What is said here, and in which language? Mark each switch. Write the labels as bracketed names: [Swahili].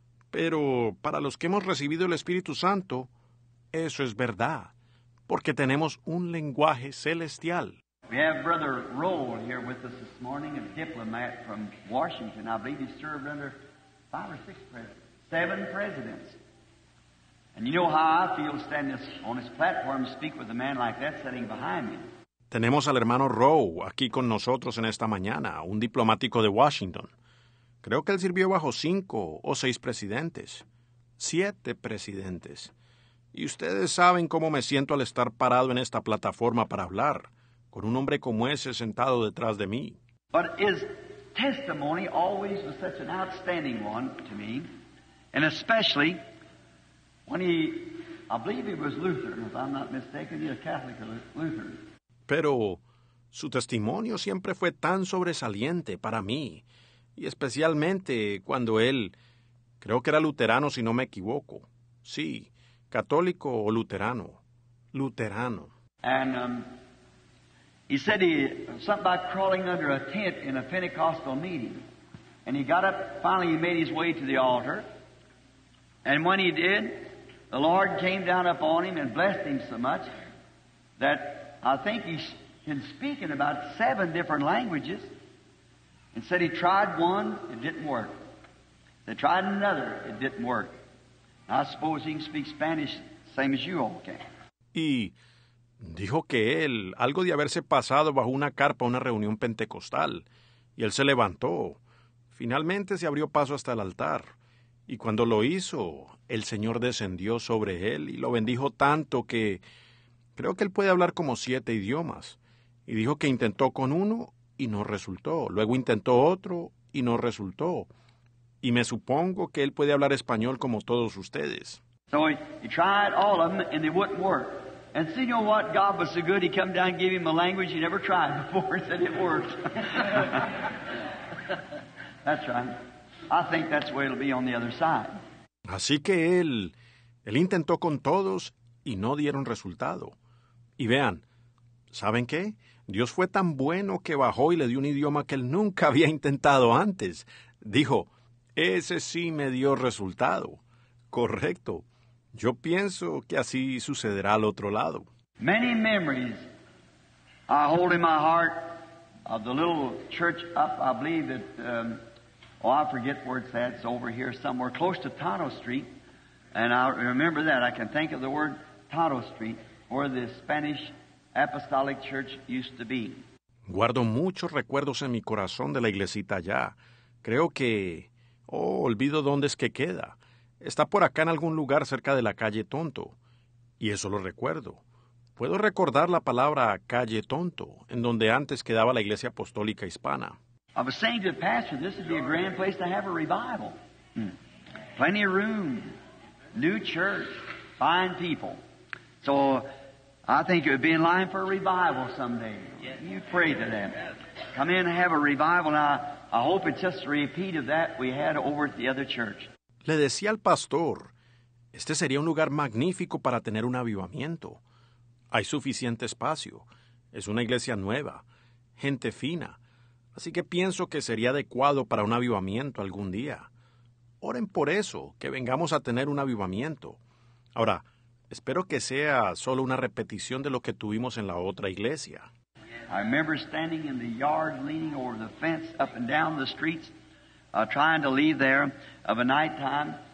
[Spanish] Pero para los que hemos recibido el Espíritu Santo, eso es verdad, porque tenemos un lenguaje celestial. [English] We have Brother Roll here with us this morning, a diplomat from Washington. I believe he served under 5 or 6 7 presidents. And you know how I feel standing on this platform to speak with a man like that sitting behind me. [Spanish] Tenemos al hermano Rowe aquí con nosotros en esta mañana, un diplomático de Washington. Creo que él sirvió bajo 5 o 6 presidentes. 7 presidentes. Y ustedes saben cómo me siento al estar parado en esta plataforma para hablar, con un hombre como ese sentado detrás de mí. [English] But his testimony always was such an outstanding one to me, and especially when he, I believe he was Lutheran, if I'm not mistaken, he was Catholic or Lutheran. [Spanish] Pero su testimonio siempre fue tan sobresaliente para mí, y especialmente cuando él, creo que era luterano si no me equivoco. Sí, católico o luterano. Luterano. [English] And he said he something about crawling under a tent in a Pentecostal meeting. And he got up, finally he made his way to the altar. And when he did, the Lord came down upon him and blessed him so much that I think he can speak in about 7 different languages. And said he tried one, it didn't work. They tried another, it didn't work. And I suppose he can speak Spanish same as you all can. [Spanish] Y dijo que él, algo de haberse pasado bajo una carpa a una reunión pentecostal, y él se levantó. Finalmente se abrió paso hasta el altar. Y cuando lo hizo, el Señor descendió sobre él y lo bendijo tanto que creo que él puede hablar como 7 idiomas. Y dijo que intentó con uno y no resultó. Luego intentó otro y no resultó. Y me supongo que él puede hablar español como todos ustedes. [English] So he tried all of them and they wouldn't work. And see, you know what? God was so good, he came down and gave him a language he never tried before. He said it worked. That's right. I think that's the way it'll be on the other side. [Spanish] Así que él intentó con todos y no dieron resultado. Y vean, ¿saben qué? Dios fue tan bueno que bajó y le dio un idioma que él nunca había intentado antes. Dijo, ese sí me dio resultado. Correcto. Yo pienso que así sucederá al otro lado. [English] Many memories I hold in my heart of the little church up, I believe that, I forget where it's at, it's over here somewhere, close to Tonto Street, and I remember that, I can think of the word Tonto Street, where the Spanish Apostolic Church used to be. [Spanish] Guardo muchos recuerdos en mi corazón de la iglesita allá. Creo que, olvido dónde es que queda. Está por acá en algún lugar cerca de la calle Tonto. Y eso lo recuerdo. Puedo recordar la palabra calle Tonto, en donde antes quedaba la iglesia apostólica hispana. [English] I was saying to the pastor, this would be a grand place to have a revival. Plenty of room. New church. Fine people. So, I think it would be in line for a revival someday. You pray to them. Come in and have a revival. Now, I hope it's just a repeat of that we had over at the other church. [Spanish] Le decía al pastor, este sería un lugar magnífico para tener un avivamiento. Hay suficiente espacio. Es una iglesia nueva, gente fina. Así que pienso que sería adecuado para un avivamiento algún día. Oren por eso, que vengamos a tener un avivamiento. Ahora, espero que sea solo una repetición de lo que tuvimos en la otra iglesia. [English] I remember standing in the yard, leaning over the fence, up and down the streets, trying to leave there of a night time.